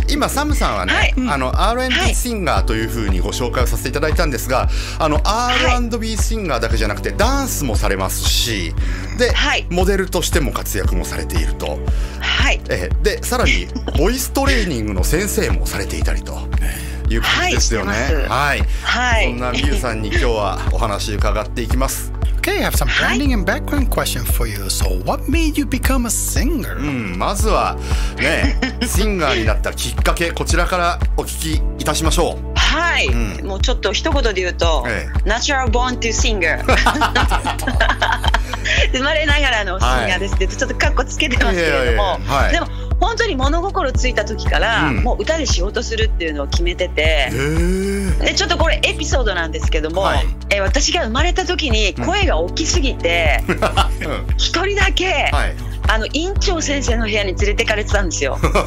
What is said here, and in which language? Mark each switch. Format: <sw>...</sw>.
<ja>今サムさんはね、はい、あの R&B シンガーというふうにご紹介をさせていただいたんですが、あの R&B シンガーだけじゃなくてダンスもされますし、で、はい、モデルとしても活躍もされていると、はい、でさらにボイストレーニングの先生もされていたりという感じですよね。はい、はい、そんなMeyouさんに今日はお話伺っていきます。</ja> <en>Okay, I have some branding and background question for you. So, what made you become a singer?</en> <ja>まずはね、シンガーになったきっかけ、こちらからお聞きいたしましょう。はい、うん、もうちょっと一言で言うと、</ja> <en>Natural born to singer.</en> <ja>生まれながらのシンガーですって、はい、ちょっとカッコつけてますけれども、でも本当に物心ついた時から、うん、もう歌で仕事するっていうのを決めてて、でちょっとこれエピソードなんですけども、はい、私が生まれた時に声が大きすぎて、うん、一人だけ、はい、あの院長先生の部屋に連れてかれてたんですよ。</ja>